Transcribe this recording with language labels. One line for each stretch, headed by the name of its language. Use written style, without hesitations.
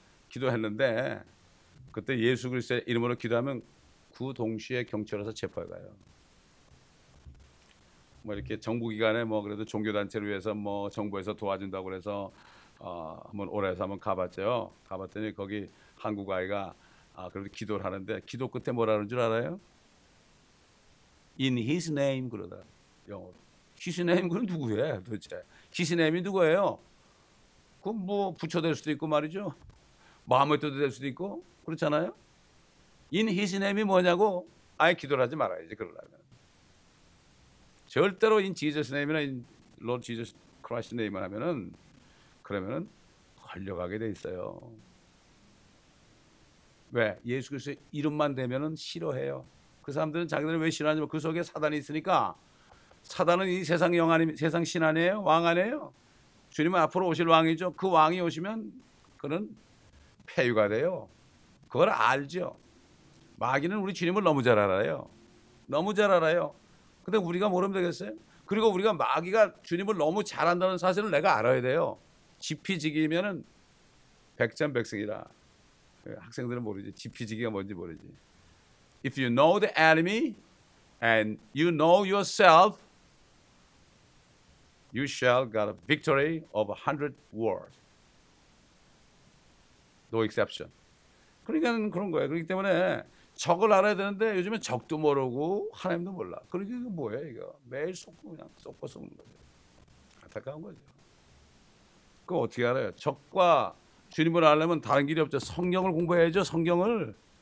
Korean: 기도했는데 그때 예수 그리스도의 이름으로 기도하면 그 동시에 경찰에서 체포해 가요. 뭐 이렇게 정부 기관에 뭐 그래도 종교 단체를 위해서 뭐 정부에서 도와준다고 그래서 한번 올해서 한번 가봤죠. 가봤더니 거기 한국 아이가 그래도 기도를 하는데 기도 끝에 뭐라는 줄 알아요?
English: In His name
Korean: 그러다 영어로.
English: His name
Korean: 그럼 누구예요 도대체? His name이 누구예요? 그뭐 부처 될 수도 있고 말이죠. 마하메드도 될 수도 있고 그렇잖아요.
English: In His name이
Korean: 뭐냐고? 아예 기도를 하지 말아야지 그러려면. 절대로
English: in Jesus name
Korean: 이나
English: in Lord Jesus Christ name
Korean: 을 하면은 그러면은 걸려가게 돼 있어요. 왜? 예수 그리스도 이름만 되면은 싫어해요. 그 사람들은 자기들은 왜 싫어하냐면 그 속에 사단이 있으니까. 사단은 이 세상 영 아니 세상 신 아니에요? 왕 아니에요? 주님은 앞으로 오실 왕이죠. 그 왕이 오시면 그는 폐유가 돼요. 그걸 알죠. 마귀는 우리 주님을 너무 잘 알아요. 너무 잘 알아요. 근데 우리가 모르면 되겠어요? 그리고 우리가 마귀가 주님을 너무 잘 안다는 사실을 내가 알아야 돼요. 지피지기면은 백전백승이라. 학생들은 모르지. 지피지기가 뭔지 모르지.
English: If you know the enemy and you know yourself, you shall get a victory of 100 wars. No exception.
Korean: 그러니까 그런 거예요. 그렇기 때문에 적을 알아야 되는데 요즘에 적도 모르고 하나님도 몰라. 그러니까 이게 뭐예요, 이거. 매일 속고 그냥 속고 속는 거죠. 안타까운 거죠. 그거 어떻게 알아요? 적과 주님을 알려면 다른 길이 없죠. 성경을 공부해야죠, 성경을.